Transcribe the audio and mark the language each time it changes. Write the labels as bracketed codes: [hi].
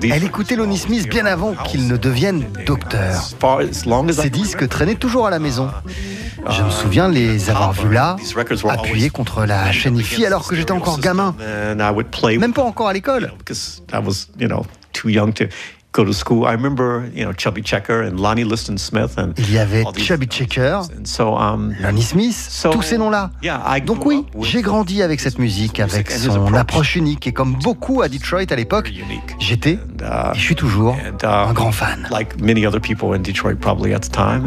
[fr] elle écoutait Lonnie Smith bien avant qu'il ne devienne docteur. Ses disques traînaient toujours à la maison. Je me souviens les avoir vus là, appuyés contre la chaîne IFI alors que j'étais encore gamin, même pas encore à l'école. [en] I was, you know, too young to go to school. I remember, you know, Chubby Checker and Lonnie Liston Smith. And [fr] il y avait Chubby Checker, Lonnie Smith, tous ces noms-là. Donc oui, j'ai grandi avec cette musique, avec son approche unique. Et comme beaucoup à Detroit à l'époque, j'étais et je suis toujours un grand fan. [en] Like many other people in Detroit probably at the time.